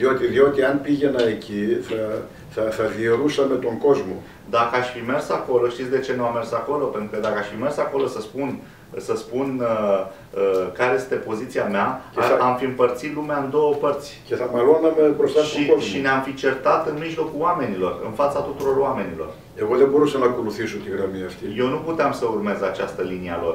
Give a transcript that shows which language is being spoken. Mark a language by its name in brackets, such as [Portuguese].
[Greek] Διότι αν πήγαινα εκεί, θα διαιρούσαμε τον κόσμο. [Romanian] Dacă aș fi mers acolo, știți de ce nu am mers acolo? Pentru că dacă aș fi mers acolo să spun care este poziția mea, am fi împărțit lumea în două părți. [Greek] Και θα μαλώναμε μπροστά στον κόσμο. [Romanian] Și ne-am fi certat în mijlocul oamenilor, în fața tuturor oamenilor. [Greek] Εγώ δεν μπορούσα να ακολουθήσω τη γραμμή αυτή. [Romanian] Eu nu puteam să urmez această linie a lor.